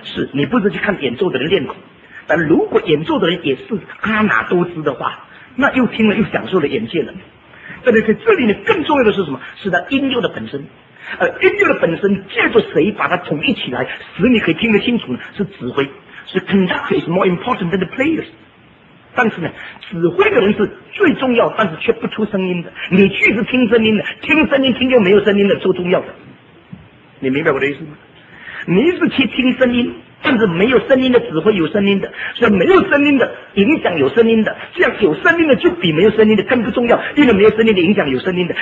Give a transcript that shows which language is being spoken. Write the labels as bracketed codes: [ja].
[zh] 是，你不是去看演奏的人练口。但如果演奏的人也是阿哪都知的话，那又听了又享受了眼界了。但是在这里呢，更重要的是什么？是那音乐的本身。而音乐的本身借助谁把它统一起来使你可以听得清楚呢？是指挥，是 [en] conductor is more important than the players。 [zh] 但是呢，指挥的人是最重要，但是却不出声音的。你去是听声音的，听声音听就没有声音的，最重要的。你明白我的意思吗？你是去听声音，但是没有声音的指挥有声音的，所以没有声音的影响有声音的，这样有声音的就比没有声音的更不重要，因为没有声音的影响有声音的。